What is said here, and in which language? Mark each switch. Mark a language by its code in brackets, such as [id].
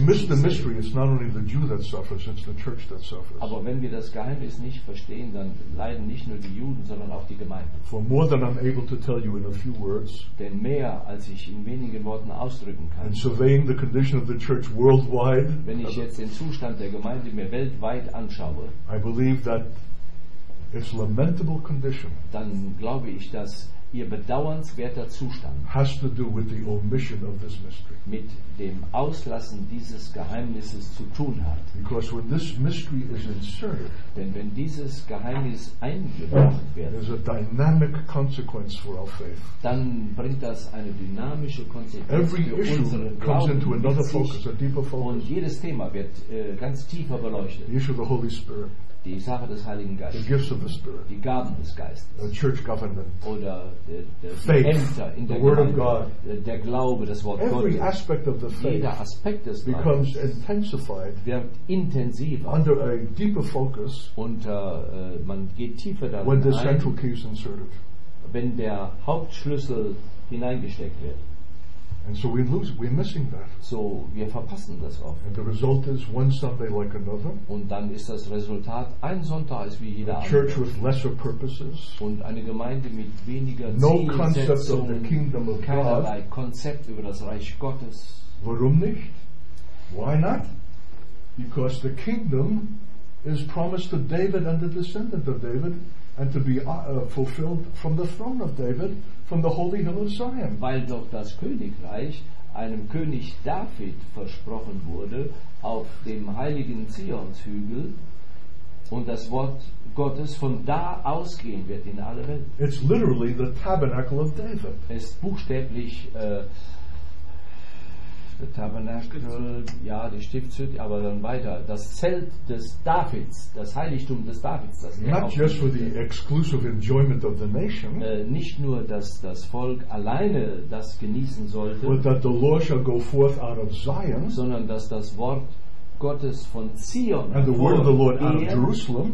[en] we miss the mystery, it's not only the Jew that suffers, it's the church that suffers. [de] Aber wenn wir das Geheimnis nicht verstehen, dann leiden nicht nur die Juden, sondern auch die Gemeinde. [en] For more than I'm able to tell you in a few words, [de] denn mehr als ich in wenigen Worten ausdrücken kann. [en] And surveying the condition of the church worldwide, [de] wenn ich jetzt den Zustand der Gemeinde mir weltweit anschaue, [en] I believe that it's lamentable condition. [de] Dann glaube ich, dass ihr bedauernswerter Zustand [en] has to do with the omission of this mystery. [de] Mit dem Auslassen dieses Geheimnisses zu tun hat. [en] Because when this mystery is inserted, [de] denn wenn dieses Geheimnis eingebracht wird, [en] there's a dynamic consequence for our faith. [de] Dann bringt das eine dynamische Konsequenz [en] Every [de] für [en] issue [de] unseren Glauben [en] comes into another focus, a deeper focus. [de] Und jedes Thema wird ganz tiefer beleuchtet. [en] The issue of the Holy Spirit. [de] Die Sache des Heiligen Geistes, [en] the gifts of the Spirit, [de] die Gaben des Geistes, [en] the church government, [de] oder der [en] faith, [de] Ämter in der [en] the word [de] Gemeinde, [en] of God, [de] der Glaube, das Wort [en] Every [de] Gottes, [en] aspect of the faith [de] jeder Aspekt des [en] becomes [de] Glaubens [en] intensified [de] wird intensiver [en] under a deeper focus [de] und man geht tiefer darin [en] when the [de] ein, [en] central key is inserted. [de] Wenn der Hauptschlüssel hineingesteckt wird. [en] And so we lose, we're missing that. [de] So wir verpassen das oft. [en] And the result is one Sunday like another. [de] Und dann ist das Resultat ein Sonntag ist wie jeder andere. [en] Church with lesser purposes. [de] Und eine Gemeinde mit weniger [en] no concept of the kingdom of God. [de] Keinerlei Konzept über das Reich Gottes. Warum nicht? [en] Why not? Because the kingdom is promised to David and the descendant of David. And to be fulfilled from the throne of David, from the holy hill of Zion. [de] Weil doch das Königreich einem König David versprochen wurde auf dem heiligen Zionshügel, und das Wort Gottes von da ausgehen wird in alle Welt. [en] It's literally the tabernacle of David. [de] Es ist buchstäblich Tabernakel, ja, die Stiftshütte, aber dann weiter. Das Zelt des Davids, das Heiligtum des Davids. Das [en] not just for the exclusive enjoyment of the nation. [de] Nicht nur, dass das Volk alleine das genießen sollte. [en] But that the Lord shall go forth out of Zion. [de] Sondern, dass das Wort Gottes von Zion [en] and the word of the Lord out of Jerusalem,